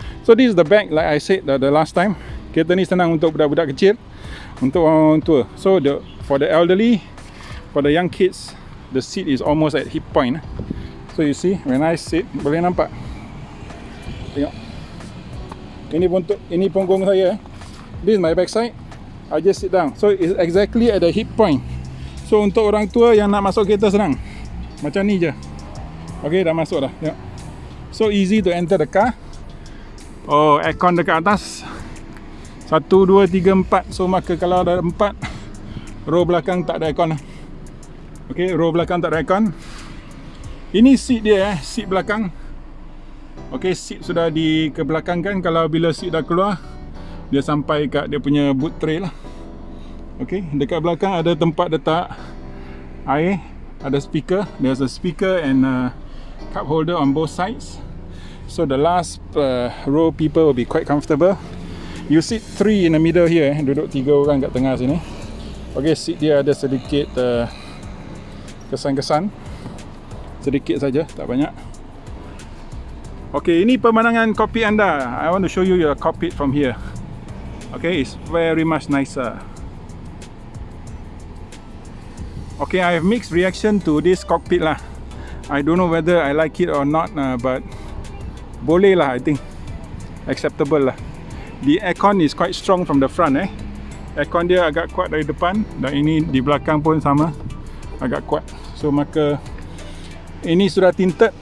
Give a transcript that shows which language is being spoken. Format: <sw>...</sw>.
<en>So this is the back like I said the last time.</en> <ms>Kereta ni senang untuk budak-budak kecil, untuk orang tua.</ms> <en>So the for the elderly, for the young kids, the seat is almost at hip point. So you see when I sit,</en> <ms>boleh nampak. Tengok. Ini pun untuk ini punggung saya.</ms> <en>This is my backside. I just sit down. So it's exactly at the hip point.</en> <ms>So untuk orang tua yang nak masuk kereta senang. Macam ni je. Okay, dah masuk dah. Tengok.</ms> <en>So easy to enter the car. Oh,</en> <ms>aircon dekat atas. 1, 2, 3, 4. So maka kalau ada 4, row belakang tak ada aircon. Okay, row belakang tak ada aircon. Ini seat dia eh. Seat belakang. Okay, seat sudah di ke belakang kan. Kalau bila seat dah keluar, dia sampai kat dia punya boot tray lah. Okay, dekat belakang ada tempat letak air. Ada speaker,</ms> <en>there's a speaker and a cup holder on both sides. So the last row people will be quite comfortable. You sit three in the middle here eh.</en> <ms>Duduk tiga orang kat tengah sini. Okay, seat dia ada sedikit kesan-kesan. Sedikit saja, tak banyak. Okay, ini pemandangan cockpit anda.</ms> <en>I want to show you your cockpit from here. Okay, it's very much nicer. Okay, I have mixed reaction to this cockpit lah. I don't know whether I like it or not, but</en> <ms>boleh lah,</ms> <en>I think. Acceptable lah. The aircon is quite strong from the front eh.</en> <ms>Aircon dia agak kuat dari depan. Dan ini di belakang pun sama. Agak kuat. So, maka ini sudah tinted.</ms>